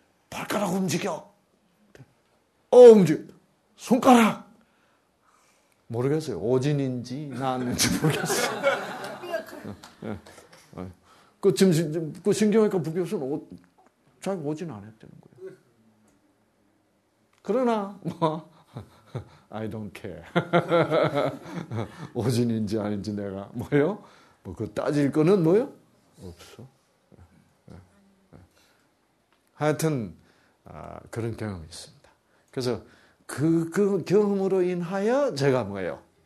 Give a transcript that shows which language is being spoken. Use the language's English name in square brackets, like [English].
[Korean] 발가락 움직여! 어, 움직여! 손가락! 모르겠어요. 오진인지 나는지 모르겠어요. 네. 그 지금 그 신경외과 부교수는 자기 오진 안 했다는 거예요. 그러나 뭐 [English] I don't care. [Korean] 오진인지 아닌지 내가 뭐요? 뭐 그 따질 거는 뭐요? 없어. 하여튼 그런 경험이 있습니다. 그래서 그 경험으로 인하여 제가 뭐예요?